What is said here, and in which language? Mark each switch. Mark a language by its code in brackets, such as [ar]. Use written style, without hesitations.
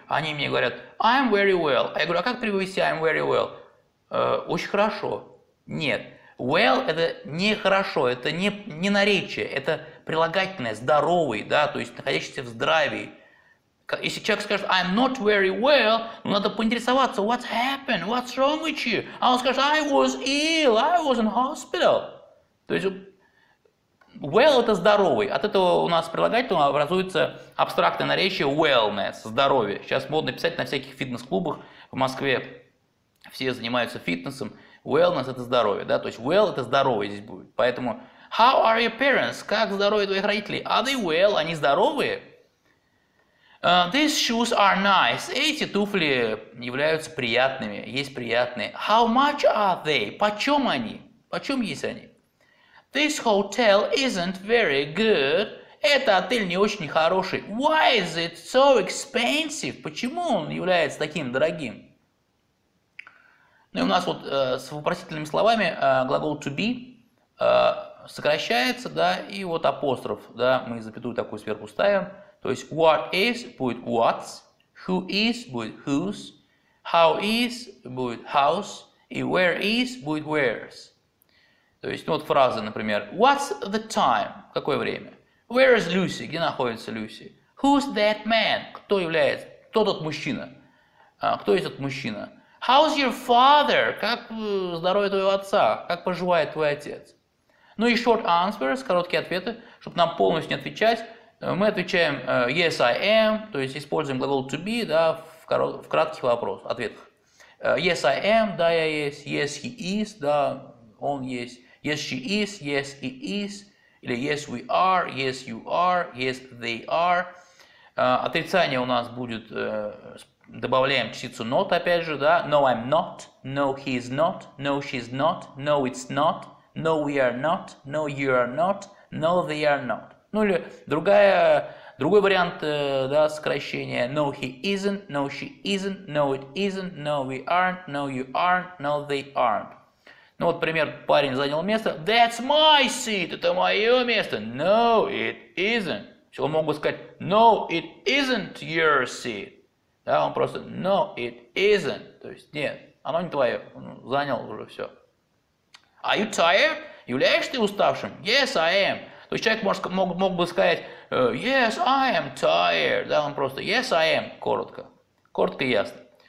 [ru] Они мне говорят, [en] I'm very well. [ru] Я говорю, а как перевести I'm very well? Очень хорошо. Нет. Well – это не хорошо, это не наречие, это прилагательное, здоровый, да, то есть находящийся в здравии. Если человек скажет [en] I'm not very well, [ru] ну, надо поинтересоваться, [en] what's happened, what's wrong with you? [ru] А он скажет [en] I was ill, I was in hospital. [ru] То есть well – это здоровый. От этого у нас прилагательного образуется абстрактное наречие wellness – здоровье. Сейчас модно писать на всяких фитнес-клубах в Москве. Все занимаются фитнесом. Wellness – это здоровье. Да? То есть well – это здоровый здесь будет. Поэтому [en] how are your parents? [ru] Как здоровье твоих родителей? [en] Are they well? [ru] Они здоровые? [en] These shoes are nice. [ru] Эти туфли являются приятными. Есть приятные. [en] How much are they? [ru] Почем они? Почем есть они? [en] This hotel isn't very good. [ru] Это отель не очень хороший. [en] Why is it so expensive? [ru] Почему он является таким дорогим? Ну и у нас вот с вопросительными словами глагол to be сокращается, да, и вот апостроф, да, мы запятую такую сверху ставим. То есть [en] what is будет what's, who is будет whose, how is будет how's, и where is будет where's. [ru] То есть, ну вот фразы, например, [en] what's the time? [ru] Какое время? [en] Where is Lucy? [ru] Где находится Lucy? [en] Who's that man? [ru] Кто является? Кто тот мужчина? Кто этот мужчина? [en] How's your father? [ru] Как здоровье твоего отца? Как поживает твой отец? Ну и [en] short answers, [ru] короткие ответы, чтобы нам полностью не отвечать. Мы отвечаем [en] yes, I am, [ru] то есть используем глагол to be, да, в кратких вопросах, ответах. [en] Yes, I am, [ru] да, я есть. [en] Yes, he is, [ru] да, он есть. [en] Yes, she is, yes, he is. Или yes, we are, yes, you are, yes, they are. [ru] Отрицание у нас будет, добавляем частицу not, опять же, да. [en] No, I'm not, no, he is not, no, she's not, no, it's not, no, we are not, no, you are not, no, they are not. [ru] Ну или другой вариант, да, сокращения. [en] No, he isn't, no, she isn't, no, it isn't, no, we aren't, no, you aren't, no, they aren't. [ru] Ну вот, пример, парень занял место. [en] That's my seat, [ru] это мое место. [en] No, it isn't. [ru] Он мог бы сказать, [en] no, it isn't your seat. [ru] Да, он просто, [en] no, it isn't. [ru] То есть, нет, оно не твое, он занял уже все. [en] Are you tired? [ru] Являешь ты уставшим? [en] Yes, I am. [ru] То есть человек мог бы сказать [en] «Yes, I am tired», [ru] да, он просто [en] «Yes, I am», [ru] коротко, коротко и ясно.